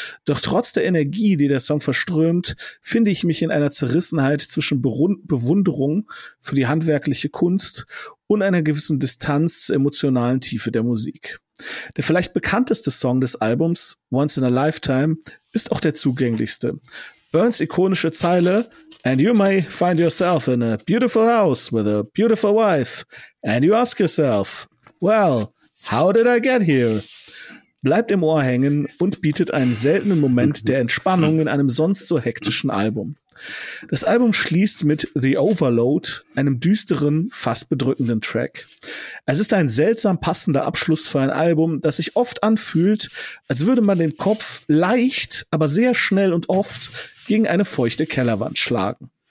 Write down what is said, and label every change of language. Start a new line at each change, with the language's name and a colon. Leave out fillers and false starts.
German: Doch trotz der Energie, die der Song verströmt, finde ich mich in einer Zerrissenheit zwischen Bewunderung für die handwerkliche Kunst und einer gewissen Distanz zur emotionalen Tiefe der Musik. Der vielleicht bekannteste Song des Albums, Once in a Lifetime, ist auch der zugänglichste. Byrnes ikonische Zeile,
English: and you may find yourself in a beautiful house with a beautiful wife, and you ask yourself, well, how did I get here?
German: Bleibt im Ohr hängen und bietet einen seltenen Moment der Entspannung in einem sonst so hektischen Album. Das Album schließt mit The Overload, einem düsteren, fast bedrückenden Track. Es ist ein seltsam passender Abschluss für ein Album, das sich oft anfühlt, als würde man den Kopf leicht, aber sehr schnell und oft gegen eine feuchte Kellerwand schlagen.